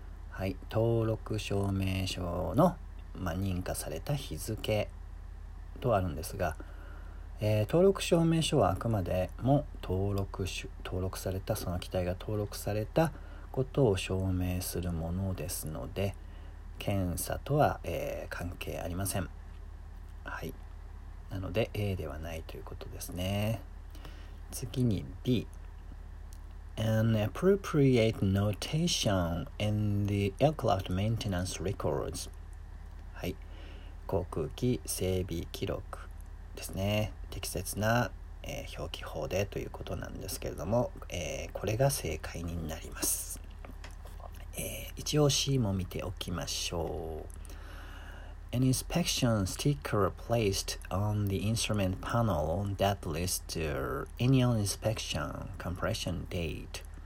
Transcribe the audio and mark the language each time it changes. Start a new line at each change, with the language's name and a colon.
Japanese: はい、登録証明書の、認可された日付とあるんですが、登録証明書はあくまでも登録されたその機体が登録されたことを証明するものですので、検査とは、関係ありません。はい、なので A ではないということですね。次に B。
English: An appropriate notation in the aircraft maintenance records.
Japanese: はい。航空機整備記録ですね。適切な、表記法でということなんですけれども、これが正解になります。一応 C も見ておきましょう。
English: An inspection sticker placed on the instrument panel that lists the annual inspection completion date.